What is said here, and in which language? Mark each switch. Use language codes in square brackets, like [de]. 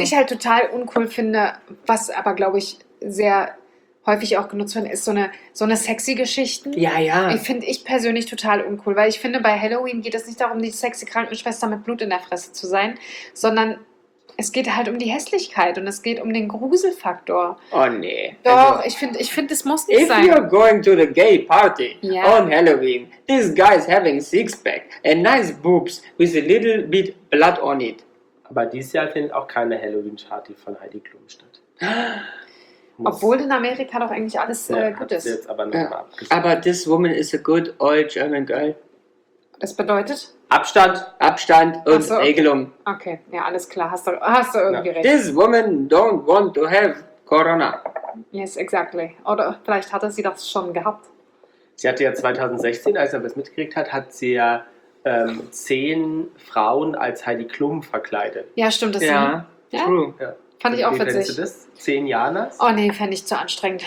[de] Was ich halt total uncool finde, was aber glaube ich sehr häufig auch genutzt werden, ist so eine sexy Geschichten. Ja, ja. Die finde ich persönlich total uncool, weil ich finde, bei Halloween geht es nicht darum, die sexy Krankenschwester mit Blut in der Fresse zu sein, sondern es geht halt um die Hässlichkeit und es geht um den Gruselfaktor. Oh, nee. Doch, also, ich find, das muss nicht [en] if [de] sein. [en] If you're going to the gay party on Halloween, this guy is having six-pack and nice boobs with a little bit blood on it. [de] Aber dieses Jahr findet auch keine Halloween-Party von Heidi Klum statt. Muss. Obwohl in Amerika doch eigentlich alles gut ist. Jetzt aber, aber [en] this woman is a good old German girl. [de] Das bedeutet? Abstand und so, Regelung. Okay, ja, alles klar. Hast du irgendwie recht. [en] This woman don't want to have Corona. Yes, exactly. [de] Oder vielleicht hatte sie das schon gehabt. Sie hatte ja 2016, als er das mitgekriegt hat, hat sie ja 10 Frauen als Heidi Klum verkleidet. Ja, stimmt. Das ja. [en] True. [de] Ja. Fand ich auch witzig. Wie findest du das? 10 Jahre? Oh nee, fände ich zu anstrengend.